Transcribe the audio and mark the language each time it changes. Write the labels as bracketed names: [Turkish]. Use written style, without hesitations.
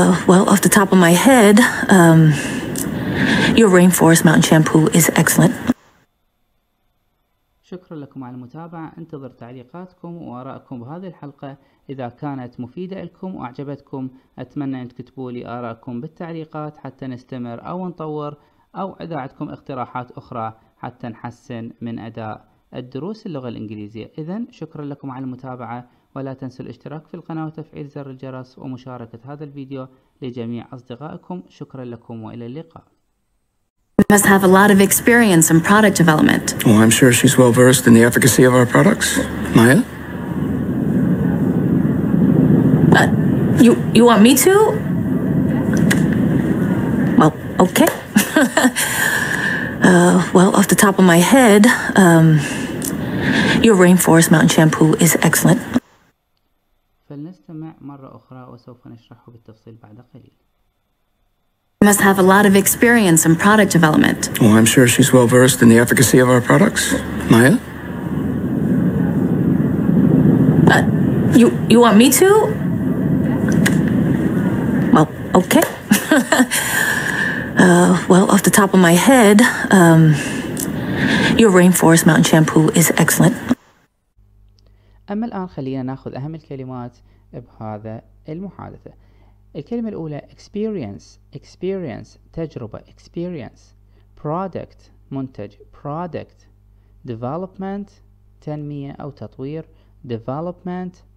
[English] Well, off the top of my head, your Rainforest Mountain Shampoo is excellent. [Arabic] شكرا لكم على المتابعة. انتظر تعليقاتكم وآراءكم بهذه الحلقة. إذا كانت مفيدة لكم وأعجبتكم، أتمنى أن تكتبوا لي آراءكم بالتعليقات حتى نستمر أو نطور، أو إذا عندكم اقتراحات أخرى حتى نحسن من أداء الدروس اللغة الإنجليزية. إذن شكرا لكم على المتابعة، ولا تنسوا الاشتراك في القناة وتفعيل زر الجرس ومشاركة هذا الفيديو لجميع أصدقائكم. شكرا لكم وإلى اللقاء. [English] Must have a lot of experience in product development. Oh, I'm sure she's well versed in the efficacy of our products. Maya? You want me to? Well, okay. Well, off the top of my head, your Rainforest Mountain Shampoo is excellent. [Arabic] فلنستمع مرة أخرى وسوف نشرحه بالتفصيل بعد قليل. [English] Must have a lot of experience in product development. Oh, I'm sure she's well versed in the efficacy of our products. Maya? You want me to? Well, okay. Well, off the top of my head, your Rainforest Mountain Shampoo is excellent. [Arabic] أما الآن خلينا نأخذ أهم الكلمات بهذا المحادثة. الكلمة الأولى experience تجربة experience، product منتج product، development تنمية أو تطوير development.